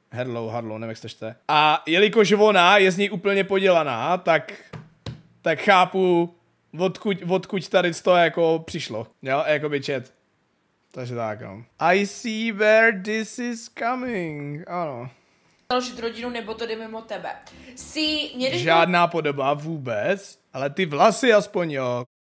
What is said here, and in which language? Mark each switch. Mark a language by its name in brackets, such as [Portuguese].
[Czech] Harlow, nevím, jak se čte. A jelikož ona je z ní úplně podělaná, tak chápu, odkud tady to jako přišlo. Jo, jako by čet. Takže tak, no. [English] I see where this is coming. [Czech] Ano. Založit rodinu, nebo to jde mimo tebe. [English] See, [Czech] žádná podoba vůbec, ale ty vlasy aspoň, jo.